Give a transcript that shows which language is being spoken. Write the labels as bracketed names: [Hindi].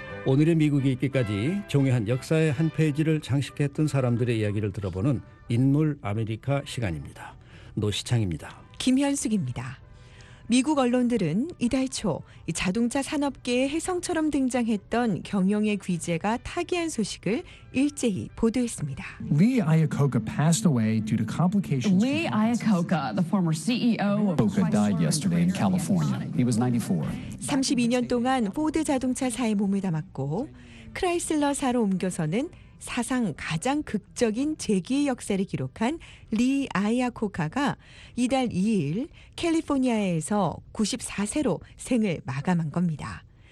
[Korean] 오늘의 미국이 있기까지 종이 한 역사의 한 페이지를 장식했던 사람들의 이야기를 들어보는 인물 아메리카 시간입니다. 노시창입니다. 김현숙입니다. 미국 언론들은 이달 초 자동차 산업계의 혜성처럼 등장했던 경영의 귀재가 타계한 소식을 일제히 보도했습니다. [English] Lee Iacocca passed away due to complications. Lee Iacocca, the former CEO of Chrysler, died yesterday in California. He was 94. [Korean] 32년 동안 포드 자동차사에 몸을 담았고 크라이슬러사로 옮겨서는 사상 가장 극적인 재기의 역사를 기록한 리 아이아코카가 이달 2일 캘리포니아에서 94세로 생을 마감한 겁니다.